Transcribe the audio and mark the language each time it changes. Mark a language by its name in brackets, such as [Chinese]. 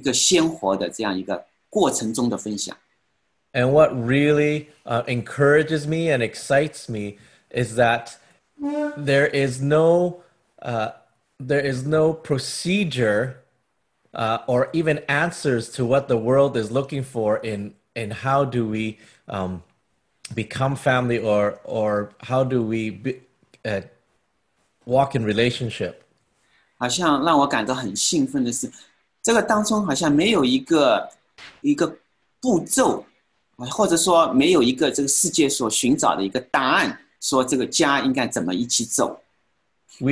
[Chinese] 很感恩，就是好像不是我们都事先都预计好、预备好的，而是在一个过程当中，是一个鲜活的这样一个过程中的分享。 [English] And what really encourages me and excites me is that there is no procedure or even answers to what the world is looking for in how do we become family or how do we walk in relationship. [Chinese] 好像让我感到很兴奋的是，这个当中好像没有一个步骤。或者说没有一个这个世界所寻找的一个答案，说这个家应该怎么一起走。 [English] We